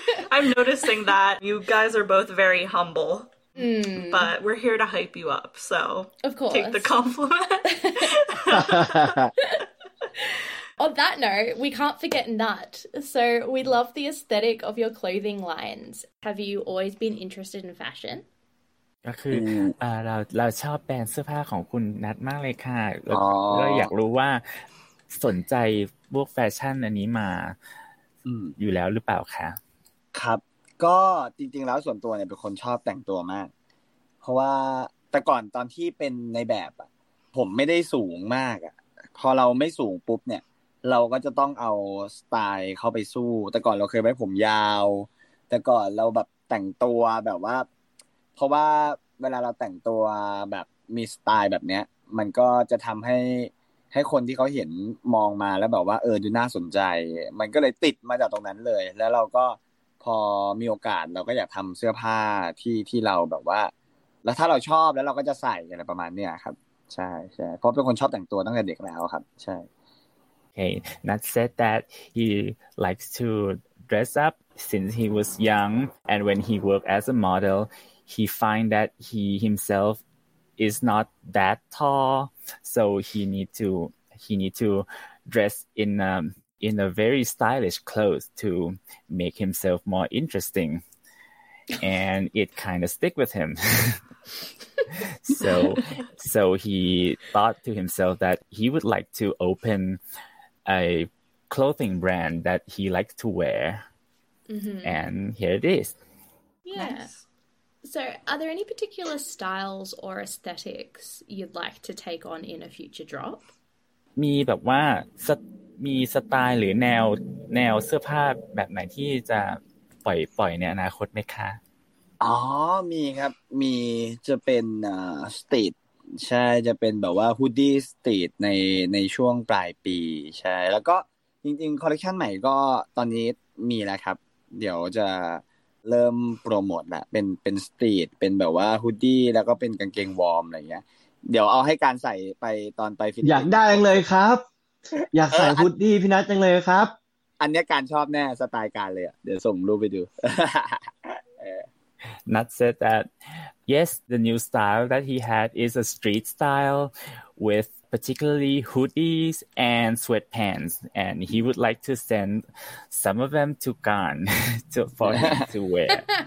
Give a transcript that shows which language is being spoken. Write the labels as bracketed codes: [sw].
[en] I'm noticing that you guys are both very humble, but we're here to hype you up. So, of course, take the compliment. On that note, we can't forget Nut. So we love the aesthetic of your clothing lines. Have you always been interested in fashion? [th] ก็คือเราชอบแบรนด์เสื้อผ้าของคุณนัทมากเลยค่ะแล้วก็อยากรู้ว่าสนใจพวกแฟชั่นอันนี้มาอยู่แล้วหรือเปล่าคะ ครับก็จริงๆแล้วส่วนตัวเนี่ยเป็นคนชอบแต่งตัวมากเพราะว่าแต่ก่อนตอนที่เป็นในแบบผมไม่ได้สูงมากพอเราไม่สูงปุ๊บเนี่ยเราก็จะต้องเอาสไตล์เข้าไปสู้แต่ก่อนเราเคยไว้ผมยาวแต่ก่อนเราแบบแต่งตัวแบบว่าเพราะว่าเวลาเราแต่งตัวแบบมีสไตล์แบบเนี้ยมันก็จะทําให้ คนที่เขาเห็นมองมาแล้วแบบว่าดูน่าสนใจมันก็เลยติดมาจากตรงนั้นเลยแล้วเราก็พอมีโอกาสเราก็อยากทําเสื้อผ้าที่เราแบบว่าแล้วถ้าเราชอบแล้วเราก็จะใส่อะไรประมาณเนี้ยครับใช่ๆเพราะเป็นคนชอบแต่งตัวตั้งแต่เด็กแล้วครับใช่ [en] Okay, Nat said that he likes to dress up since he was young and when he worked as a modelHe find that he himself is not that tall, so he need to dress in a very stylish clothes to make himself more interesting, and it kind of stick with him. So he thought to himself that he would like to open a clothing brand that he likes to wear, and here it is. Yes. Yeah. Nice. So are there any particular styles or aesthetics you'd like to take on in a future drop? [th] มีแบบว่ามีสไตล์หรือแนวเสื้อผ้าแบบไหนที่จะปล่อยในอนาคตไหมคะ อ๋อมีครับมีจะเป็นสตรีทใช่จะเป็นแบบว่าฮูดดี้สตรีทในช่วงปลายปีใช่แล้วก็จริงๆคอลเลคชันใหม่ก็ตอนนี้มีแล้วครับเดี๋ยวจะเริ่มโปรโมทละเป็นสตรีทเป็นแบบว่าฮูดดี้แล้วก็เป็นกางเกงวอร์มอะไรเงี้ยเดี๋ยวเอาให้การใส่ไปตอนไปฟิต อยากได้จังเลยครับอยากใส่ฮูดดี้พี่นัทจังเลยครับ อันนี้การชอบแน่สไตล์การเลยอ่ะเดี๋ยวส่งรูปไปดู [en] Nat said that yes the new style that he had is a street style with particularly hoodies and sweatpants and he would like to send some of them to Gan for him to wear.